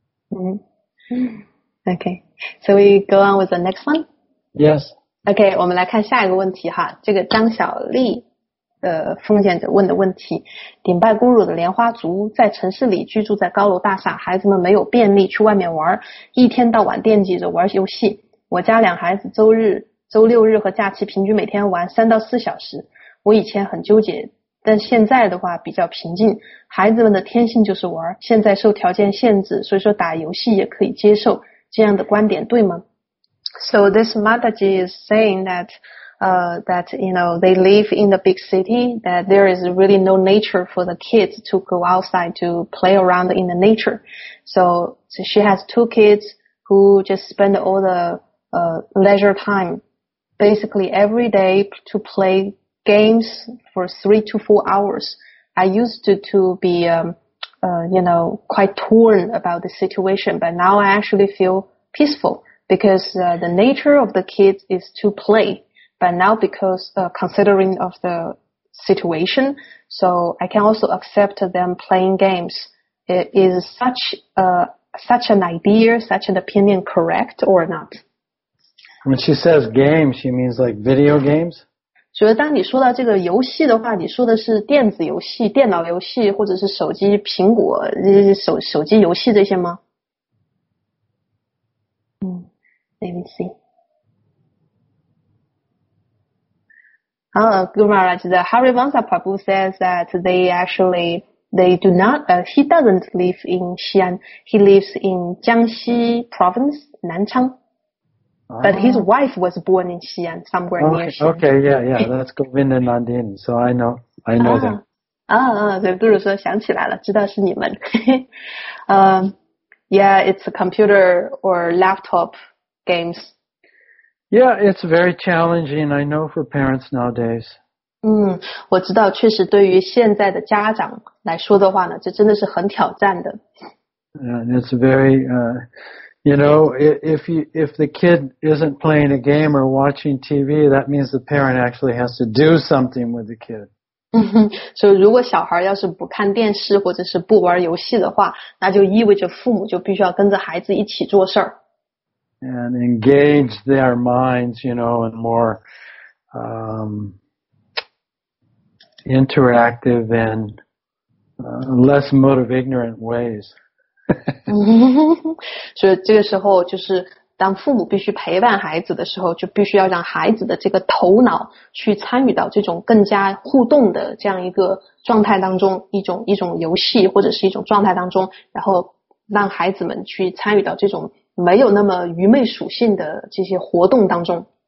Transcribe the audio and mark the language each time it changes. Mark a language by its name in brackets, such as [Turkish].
[English] Okay, so we go on with the next one? Yes. [Chinese] Okay, 我们来看下一个问题哈，这个张小丽。奉献者问的问题，顶拜Guru的莲花族在城市里居住在高楼大厦，孩子们没有便利去外面玩，一天到晚惦记着玩游戏。我家两孩子周日、周六日和假期平均每天玩3到4小时。我以前很纠结，但现在的话比较平静。孩子们的天性就是玩，现在受条件限制，所以说打游戏也可以接受。这样的观点对吗 [English] ？So this Mataji is saying that you know, they live in the big city, that there is really no nature for the kids to go outside to play around in the nature. So she has 2 kids who just spend all the leisure time basically every day to play games for 3 to 4 hours. I used to be, quite torn about the situation, but now I actually feel peaceful because the nature of the kids is to play. But now because considering of the situation, so I can also accept them playing games. Is such an idea, such an opinion correct or not? When she says games, she means like video games? [Chinese] 就是当你说到这个游戏的话，你说的是电子游戏、电脑游戏，或者是手机、苹果、手机游戏这些吗？ [English] 嗯 ，Let me see. Gumaraj, Hari Vansa Prabhu says that they actually they do not. He doesn't live in Xi'an. He lives in Jiangxi Province, Nanchang. But his wife was born in Xi'an, somewhere near Xi'an. Okay, yeah, that's Govinda Nandin, so I know them. [Chinese] 对，比如说想起来了，知道是你们。 [English] yeah, it's a computer or laptop games. Yeah, it's very challenging, I know, for parents nowadays. [Chinese] 我知道确实对于现在的家长来说的话呢，这真的是很挑战的。 [English] And it's very... You know, if the kid isn't playing a game or watching TV, that means the parent actually has to do something with the kid. [Chinese] So, 如果小孩要是不看电视或者是不玩游戏的话，那就意味着父母就必须要跟着孩子一起做事儿。 [English] And engage their minds, you know, in more, interactive and less motive ignorant ways. [Chinese] 所以这个时候就是当父母必须陪伴孩子的时候，就必须要让孩子的这个头脑去参与到这种更加互动的这样一个状态当中，一种游戏或者是一种状态当中，然后让孩子们去参与到这种没有那么愚昧属性的这些活动当中。